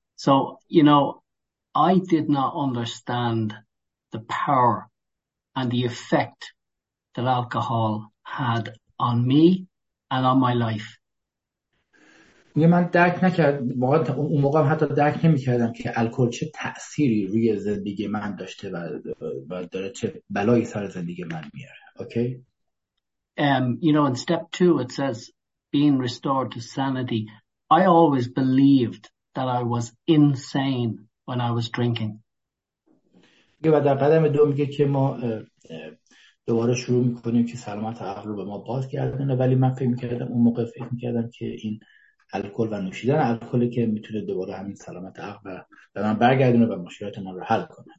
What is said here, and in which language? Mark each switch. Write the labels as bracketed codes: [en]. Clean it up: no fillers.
[en] So, you know, I did not understand the power and the effect that alcohol had on me and on my life. [fa] من درک نکردم، واقعا اون موقع حتی درک نمی‌کردم که الکل چه تأثیری روی زندگی من داشته و داره چه بلایی سر زندگی من میاره. اوکی؟ [en] You know, in step 2 it says being restored to sanity. I always believed that I was insane when I was drinking. [fa] و در قدم دو میگه که ما دوباره شروع میکنیم که سلامت عقل رو به ما باز کردن، ولی من فکر میکردم اون موقع فکر میکردم که این الکل و نوشیدن الکلی که میتونه دوباره همین سلامت عقل به من برگردونه و مشکلات من رو حل کنه.